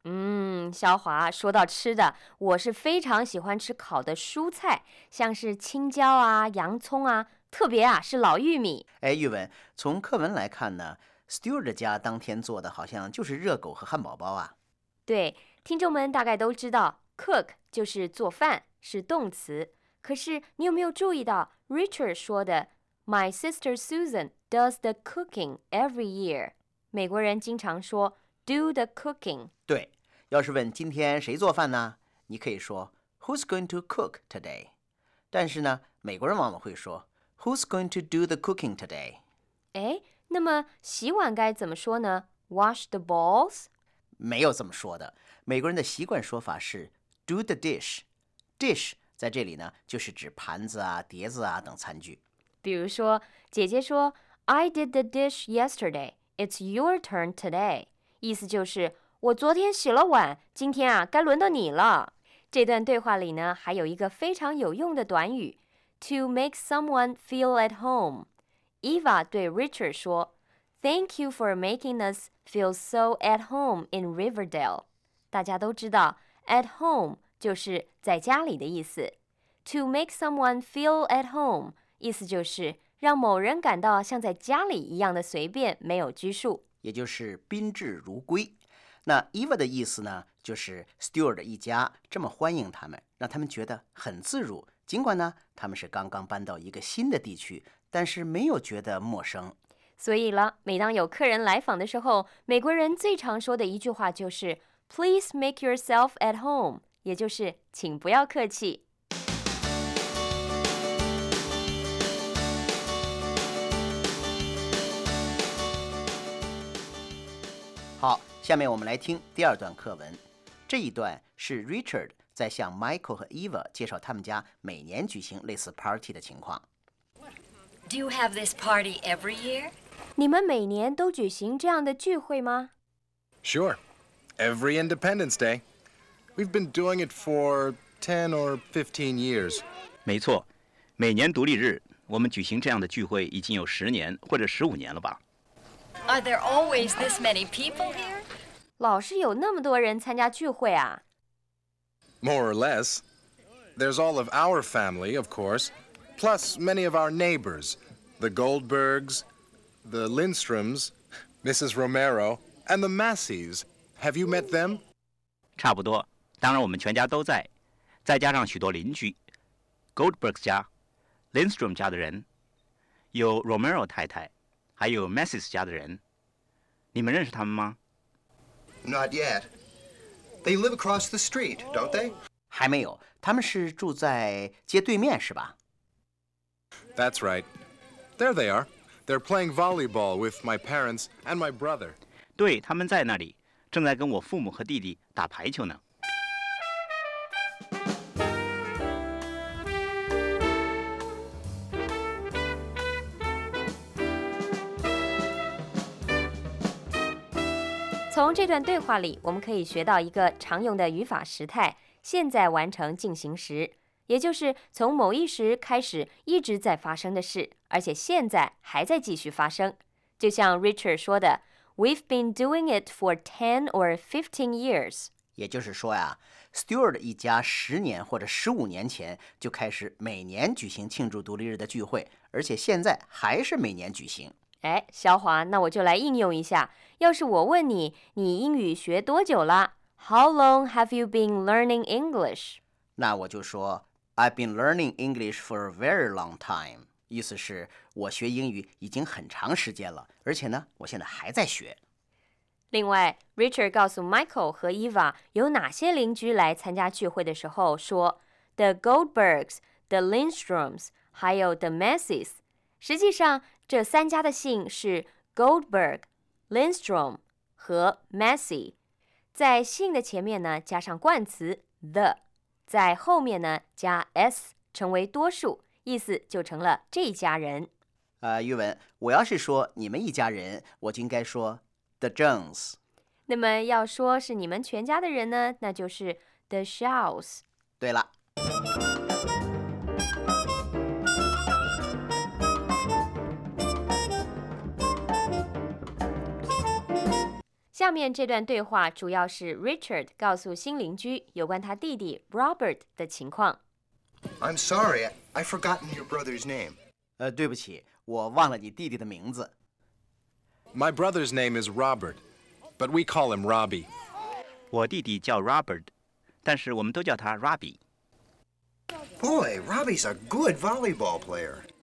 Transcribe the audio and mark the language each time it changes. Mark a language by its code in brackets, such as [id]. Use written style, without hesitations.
[zh] 嗯，小华，说到吃的，我是非常喜欢吃烤的蔬菜，像是青椒啊、洋葱啊，特别啊是老玉米。哎，玉文，从课文来看呢 ，Stewart 家当天做的好像就是热狗和汉堡包啊。对，听众们大概都知道 ，cook 就是做饭，是动词。可是你有没有注意到 Richard 说的 [en] My sister Susan does the cooking every year [zh] 美国人经常说 [en] do the cooking [zh] 对要是问今天谁做饭呢你可以说 [en] Who's going to cook today [zh] 但是呢美国人往往会说 [en] Who's going to do the cooking today [zh] 哎，那么洗碗该怎么说呢 [en] Wash the bowls [zh] 没有这么说的美国人的习惯说法是 [en] Do the dish [zh] Dish在这里呢，就是指盘子啊、碟子啊等餐具。比如说，姐姐说 [en] ：“I did the dish yesterday. It's your turn today.” [zh] 意思就是我昨天洗了碗，今天啊该轮到你了。这段对话里呢，还有一个非常有用的短语 ： [en] “to make someone feel at home.” Eva [zh] 对 [en] Richard [zh] 说 [en] ：“Thank you for making us feel so at home in Riverdale.” [zh] 大家都知道 ，at home。就是在家里的意思 [en] To make someone feel at home [zh] 意思就是让某人感到像在家里一样的随便没有拘束也就是宾至如归那 Eva 的意思呢就是 Stewart 一家这么欢迎他们让他们觉得很自如尽管呢他们是刚刚搬到一个新的地区但是没有觉得陌生所以了每当有客人来访的时候美国人最常说的一句话就是 [en] Please make yourself at home [zh] 也就是请不要客气。好，下面我们来听第二段课文。这一段是 Richard 在向 Michael 和 Eva 介绍他们家每年举行类似 party 的情况。 [en] Do you have this party every year? [zh] 你们每年都举行这样的聚会吗？ [en] Sure. Every Independence Day. We've been doing it for 10 or 15 years. [zh] 没错，每年独立日，我们举行这样的聚会已经有十年或者十五年了吧。 [en] Are there always this many people here? [zh] 老是有那么多人参加聚会啊。 [en] More or less. There's all of our family, of course, plus many of our neighbors, the Goldbergs, the Lindstroms, Mrs. Romero, and the Masseys. Have you met them? [zh] 差不多。当然我们全家都在再加上许多邻居 Goldberg 家 Lindstrom 家的人有 Romero 太太还有 Masseys 家的人你们认识他们吗 [en] Not yet They live across the street, don't they? [zh] 还没有他们是住在街对面是吧 [en] That's right There they are They're playing volleyball with my parents and my brother [zh] 对他们在那里正在跟我父母和弟弟打排球呢从这段对话里我们可以学到一个常用的语法时态现在完成进行时也就是从某一时开始一直在发生的事而且现在还在继续发生就像 Richard 说的 [en] We've been doing it for 10 or 15 years [zh] 也就是说呀 ，Stewart 一家十年或者十五年前就开始每年举行庆祝独立日的聚会，而且现在还是每年举行。哎，肖华，那我就来应用一下。要是我问你，你英语学多久了 ？ [en] How long have you been learning English？ [zh] 那我就说 [en] ，I've been learning English for a very long time。 [zh] 意思是，我学英语已经很长时间了，而且呢，我现在还在学。另外 ，Richard 告诉 Michael 和 Eva 有哪些邻居来参加聚会的时候说 ，The Goldbergs、The Lindstroms， 还有 The Messes。实际上，这三家的姓是 Goldberg、Lindstrom 和 Messy， 在姓的前面呢加上冠词 the， 在后面呢加 s， 成为多数，意思就成了这一家人。玉文，我要是说你们一家人，我就应该说 The Jones。那么要说是你们全家的人呢，那就是 The Shaws。对了。下面这段对话主要是 Richard 告诉新邻居有关他弟弟 Robert 的情况。 [en] I'm sorry, I've forgotten your brother's name. [zh] 对不起，我忘了你弟弟的名字。 [en] My brother's name is Robert, but we call him Robbie. [zh] 我弟弟叫 Robert, 但是我们都叫他 Robbie。 [en] Boy, Robbie's a good volleyball player.